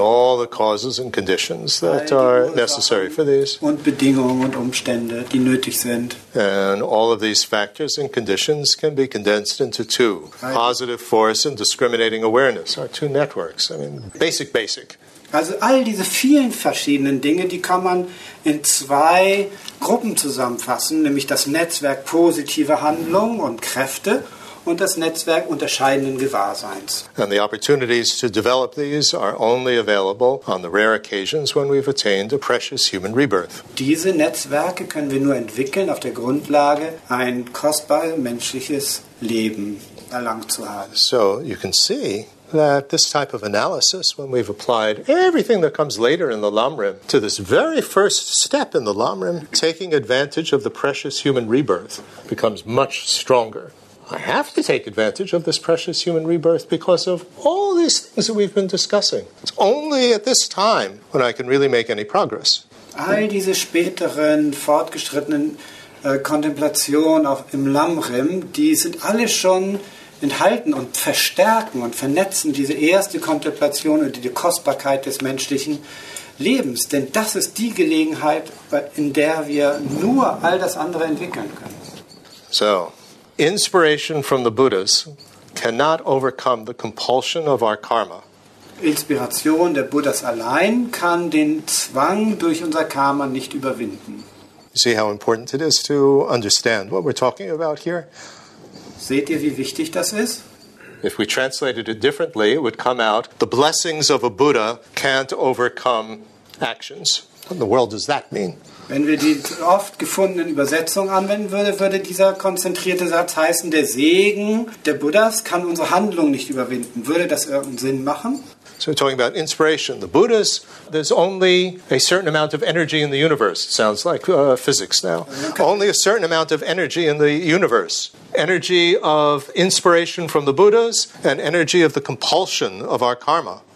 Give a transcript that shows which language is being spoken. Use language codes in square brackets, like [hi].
[en] And all the causes and conditions that are necessary for these. [de] Und Bedingungen und Umstände, die nötig sind. [en] And all of these factors and conditions can be condensed into two. Positive force and discriminating awareness are two networks. I mean, basic. [de] Also all diese vielen verschiedenen Dinge, die kann man in zwei Gruppen zusammenfassen, nämlich das Netzwerk positiver Handlung und Kräfte und das Netzwerk unterscheidenden Gewahrseins. [en] And the opportunities to develop these are only available on the rare occasions when we've attained a precious human rebirth. [de] Diese Netzwerke können wir nur entwickeln auf der Grundlage, ein kostbar menschliches Leben erlangt zu haben. [en] So you can see that this type of analysis, when we've applied everything that comes later in the Lamrim to this very first step in the Lamrim, taking advantage of the precious human rebirth becomes much stronger. I have to take advantage of this precious human rebirth because of all these things that we've been discussing. It's only at this time when I can really make any progress. [de] All diese späteren, fortgeschrittenen Kontemplationen im Lamrim, die sind alle schon enthalten und verstärken und vernetzen diese erste Kontemplation und die Kostbarkeit des menschlichen Lebens. Denn das ist die Gelegenheit, in der wir nur all das andere entwickeln können. [en] So, inspiration from the Buddhas cannot overcome the compulsion of our karma. [de] Inspiration der Buddhas allein kann den Zwang durch unser Karma nicht überwinden. [en] See how important it is to understand what we're talking about here? [de] Seht ihr, wie wichtig das ist? [en] If we translated it differently, it would come out, the blessings of a Buddha can't overcome actions. What in the world does that mean? [de] Wenn wir die oft gefundenen Übersetzungen anwenden würden, würde dieser konzentrierte Satz heißen, der Segen der Buddhas kann unsere Handlung nicht überwinden. Würde das irgendeinen Sinn machen? [en] So we're talking about inspiration. The Buddhas, there's only a certain amount of energy in the universe. It sounds like physics now. Okay. Only a certain amount of energy in the universe. Energy of inspiration from the Buddhas and energy of the compulsion of our karma.